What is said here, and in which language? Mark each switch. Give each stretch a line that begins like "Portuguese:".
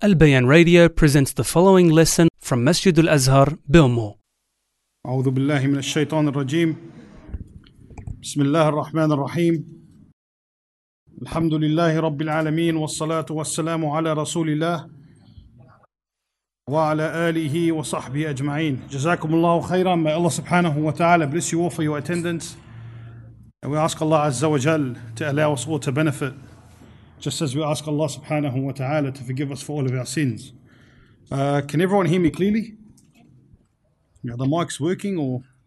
English: البيان radio presents the following lesson from مسجد الأزهر بأمو.
Arabic: أعوذ بالله من الشيطان الرجيم. بسم الله الرحمن الرحيم. الحمد لله رب العالمين والصلاة والسلام على رسول الله وعلى آله وصحبه أجمعين. جزاكم الله خيرا.
English: May Allah سبحانه وتعالى bless you all for your attendance. And we ask Allah عز وجل to allow us all to benefit. Just as we ask Allah subhanahu wa ta'ala to forgive us for all of our sins. Can everyone hear me clearly? Yeah, the mic's working or?